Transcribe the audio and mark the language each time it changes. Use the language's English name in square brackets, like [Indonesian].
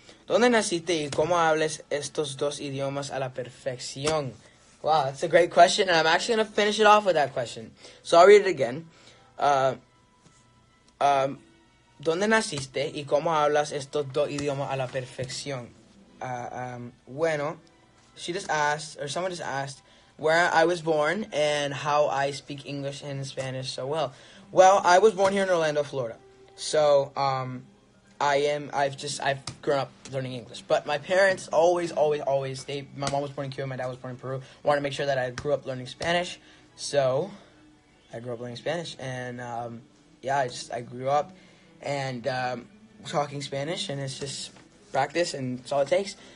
[Spanish] ¿Dónde naciste y cómo hablas estos dos idiomas a la perfección? [English] Wow, that's a great question, and I'm actually going to finish it off with that question. So I'll read it again. [Spanish] ¿Dónde naciste y cómo hablas estos dos idiomas a la perfección? [English] Someone just asked where I was born and how I speak English and Spanish so well. Well, I was born here in Orlando, Florida. So, I've grown up learning English, but my parents always, my mom was born in Cuba, my dad was born in Peru, wanted to make sure that I grew up learning Spanish, so I grew up learning Spanish, and I grew up and talking Spanish, and it's just practice, and it's all it takes.